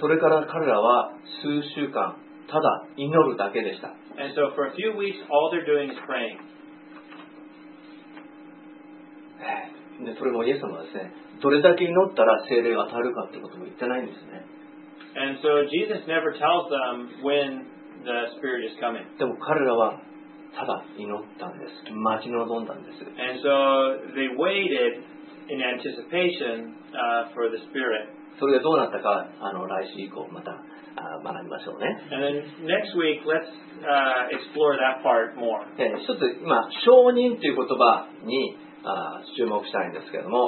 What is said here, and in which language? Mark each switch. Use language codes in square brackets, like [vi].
[ja] それから彼らは数週間ただ祈るだけでした。 [en] And so for a few weeks all they're doing is praying. [ja] でそれもイエス様はですね、どれだけ祈ったら聖霊が与えるかってことも言ってないんですね。 [en] And so Jesus never tells them when the Spirit is coming. [ja] でも彼らはただ祈ったんです。待ち望んだんです。 [en] And so they waited in anticipation for the Spirit. [ja] それがどうなったか、来週以降また学びましょうね。 [en] And then next week, let's explore that part more. [ja] ちょっと今、証人という言葉に注目したいんですけども。